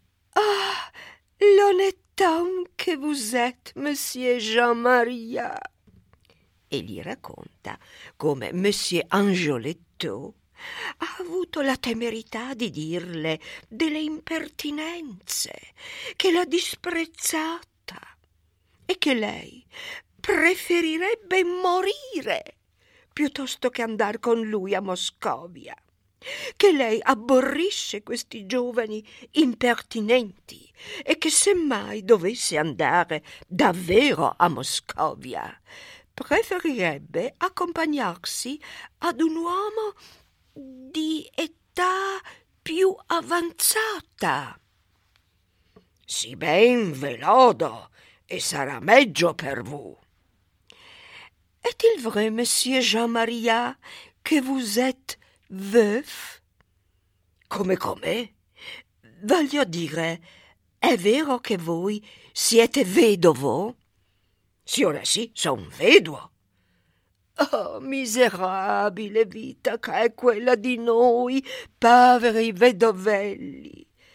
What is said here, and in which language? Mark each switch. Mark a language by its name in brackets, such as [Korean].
[French] Ah, l'onetton che vous êtes, monsieur Jean-Maria. [Italian] E gli racconta come monsieur Angioletto ha avuto la temerità di dirle delle impertinenze, che l'ha disprezzata e che lei preferirebbe morire piuttosto che andare con lui a Moscovia, che lei aborrisce questi giovani impertinenti e che semmai dovesse andare davvero a Moscovia preferirebbe accompagnarsi ad un uomo di età più avanzata. Si ben ve lodo e sarà meglio per voi. [French] Est-il vrai, monsieur Jean-Maria, que vous êtes veuf? [Italian] Come? Voglio dire, è vero che voi siete vedovo? Signora, sì, sono vedovo. Oh, miserabile vita che è quella di noi, poveri vedovelli.